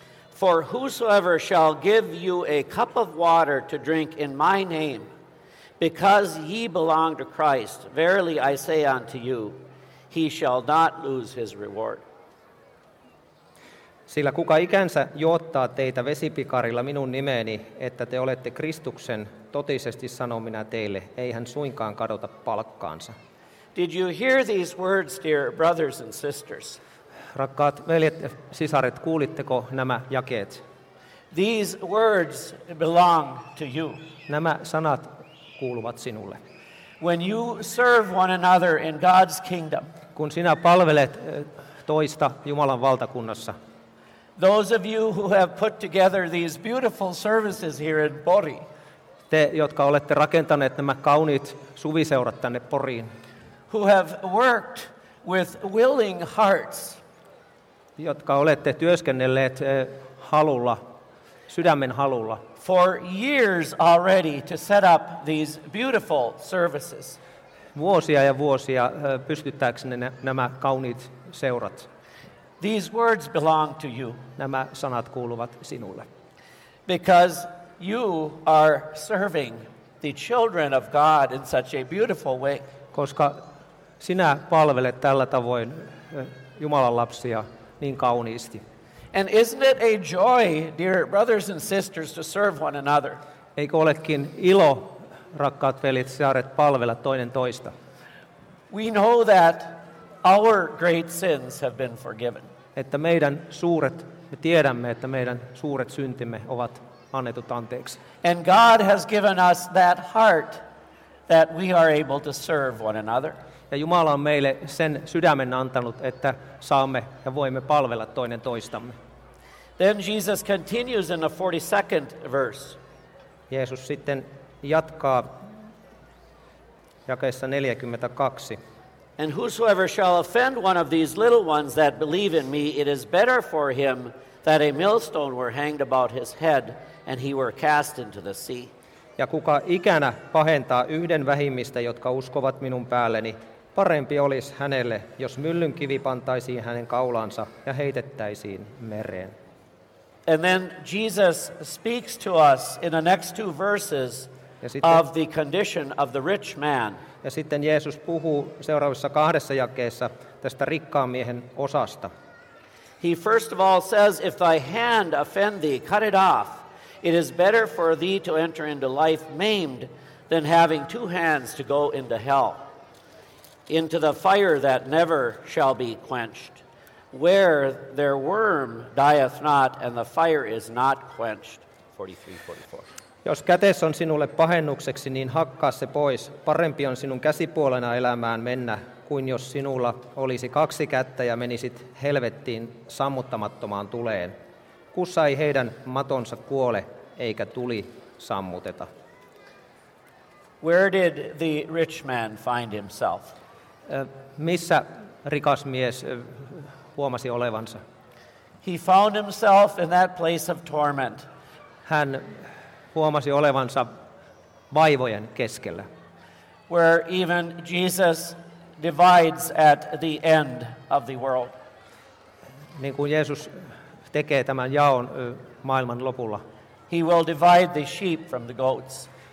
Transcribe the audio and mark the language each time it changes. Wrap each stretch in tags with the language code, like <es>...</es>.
<en>For whosoever shall give you a cup of water to drink in my name, because ye belong to Christ, verily I say unto you, he shall not lose his reward.</en> <fi>Sillä kuka ikänsä juottaa teitä vesipikarilla minun nimeeni, että te olette Kristuksen, totisesti sanon minä teille, ei hän suinkaan kadota palkkaansa.</fi> <en>Did you hear these words, dear brothers and sisters?</en> <fi>Rakkaat veljet ja sisaret, kuulitteko nämä jakeet?</fi> <en>These words belong to you.</en> <fi>Nämä sanat kuuluvat sinulle.</fi> <en>When you serve one another in God's kingdom.</en> <fi>Kun sinä palvelet toista Jumalan valtakunnassa.</fi> <en>Those of you who have put together these beautiful services here in Pori.</en> <fi>Te, jotka olette rakentaneet nämä kauniit suviseurat tänne Poriin.</fi> <en>Who have worked with willing hearts.</en> <fi>Jotka olette työskennelleet halulla, sydämen halulla.</fi> <en>For years already to set up these beautiful services.</en> <fi>Vuosia ja vuosia pystyttääksenne nämä kauniit seurat.</fi> <en>These words belong to you.</en> <fi>Nämä sanat kuuluvat sinulle.</fi> <en>Because you are serving the children of God in such a beautiful way.</en> <fi>Koska sinä palvelet tällä tavoin Jumalan lapsia niin kauniisti.</fi> <en>And isn't it a joy, dear brothers and sisters, to serve one another?</en> <fi>Eikö olekin ilo, rakkaat veljet, saaret palvella toinen toista?</fi> <en>We know that our great sins have been forgiven.</en> <fi>Että meidän suuret, me tiedämme, että meidän suuret syntimme ovat annetut anteeksi.</fi> <en>And God has given us that heart that we are able to serve one another.</en> <fi>Ja Jumala on meille sen sydämen antanut, että saamme ja voimme palvella toinen toistamme.</fi> <en>Then Jesus continues in the 42nd verse.</en> <fi>Jeesus sitten jatkaa jakeessa 42.</fi> <en>And whosoever shall offend one of these little ones that believe in me, it is better for him that a millstone were hanged about his head and he were cast into the sea.</en> <fi>Ja kuka ikänä pahentaa yhden vähimmistä, jotka uskovat minun päälleni, parempi olisi hänelle, jos myllyn kivi pantaisiin hänen kaulaansa ja heitettäisiin mereen.</fi> <en>And then Jesus speaks to us in the next two verses of the condition of the rich man.</en> <fi>Ja sitten Jeesus puhuu seuraavissa kahdessa jakeessa tästä rikkaan miehen osasta.</fi> <en>He first of all says, if thy hand offend thee, cut it off. It is better for thee to enter into life maimed than having two hands to go into hell. Into the fire that never shall be quenched, where their worm dieth not and the fire is not quenched. 43:44.</en> <fi>Jos kätes on sinulle pahennukseksi, niin hakkaa se pois. Parempi on sinun käsipuolena elämään mennä, kuin jos sinulla olisi kaksi kättä ja menisit helvettiin sammuttamattomaan tuleen. Kussa ei heidän matonsa kuole, eikä tuli sammuteta.</fi> <en>Where did the rich man find himself?</en> <fi>Missä rikas mies huomasi olevansa?</fi> <en>He found himself in that place of torment.</en> <fi>Hän huomasi olevansa vaivojen keskellä.</fi> <en>Where even Jesus divides at the end of the world.</en> <fi>Niin kuin Jeesus tekee tämän jaon maailman lopulla.</fi> <en>He will divide the sheep from the goats.</en>